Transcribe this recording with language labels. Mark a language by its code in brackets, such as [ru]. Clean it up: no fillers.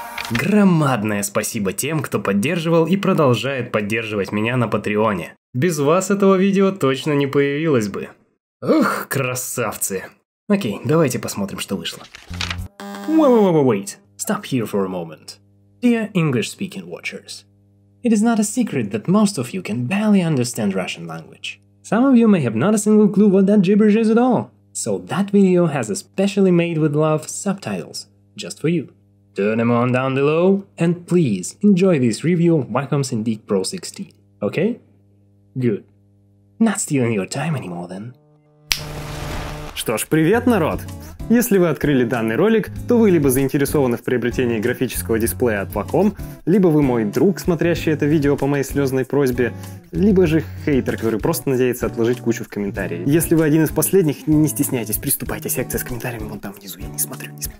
[ru] Громадное спасибо тем, кто поддерживал и продолжает поддерживать меня на Патреоне. Без вас этого видео точно не появилось бы. Ух, красавцы. Окей, давайте посмотрим, что вышло. [en] Wait. Stop here for a moment. Dear English-speaking watchers, it is not a secret that most of you can barely understand Russian language. Some of you may have not a single clue what that gibberish is at all. So that video has a specially made with love subtitles, just for you. Turn them on down below, and please enjoy this review of Wacom Cintiq Pro 16, okay? Good. Not stealing your time anymore then. [ru] Что ж, привет, народ! Если вы открыли данный ролик, то вы либо заинтересованы в приобретении графического дисплея от Wacom, либо вы мой друг, смотрящий это видео по моей слезной просьбе, либо же хейтер, который просто надеется отложить кучу в комментарии. Если вы один из последних, не стесняйтесь, приступайте, секция с комментариями вон там внизу, я не смотрю.